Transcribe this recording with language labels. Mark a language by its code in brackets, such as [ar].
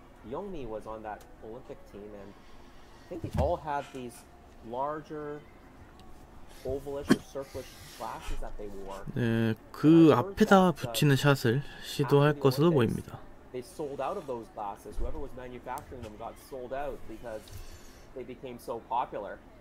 [en] 영미 was on that Olympic team and I think they all had these larger ovalish or circlish glasses that they wore. [ko] 네, 그 앞에다 붙이는 샷을 시도할 것으로 보입니다. [en] They sold out of those glasses. Whoever was manufacturing them got sold out because they became so popular.